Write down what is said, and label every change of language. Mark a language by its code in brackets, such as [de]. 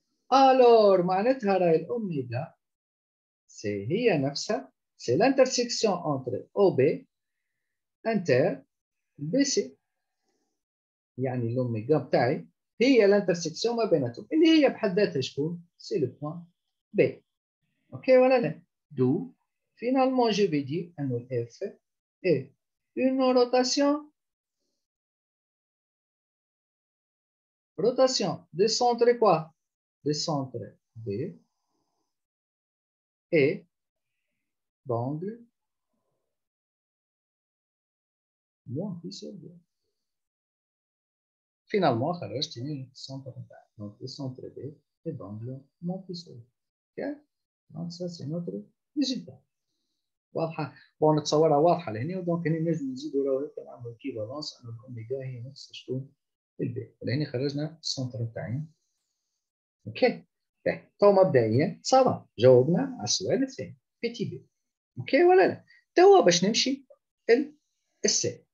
[fr] Alors, [ar] معناتها راهي الأوميغا سي هي نفسها سي [fr] l'intersection entre OB inter BC. [ar] يعني الأوميغا بتاعي هي l'intersection ما بيناتهم. اللي هي بحد ذاتها شكون؟ سي لو بوان B. أوكي ولا لا؟ دو [fr] Finalement, je vais dire un F est une rotation de centre quoi? De centre B et d'angle moins pi sur 2. Finalement, ça reste une centre B. Donc, de centre B et d'angle moins pi sur 2. Okay? Donc, ça, c'est notre résultat. [ar] واضحه بون نتصورها واضحه لهنا دونك هنا لازم نزيدوا راهو هكا نعملوا الكيفالونس انه الاوميغا هي نفس شكون البي لهنا خرجنا السنتر تاعي اوكي باهي تو مبدئيا صافا جاوبنا على السؤال الثاني بي تي بي اوكي ولا لا تو باش نمشي ال اس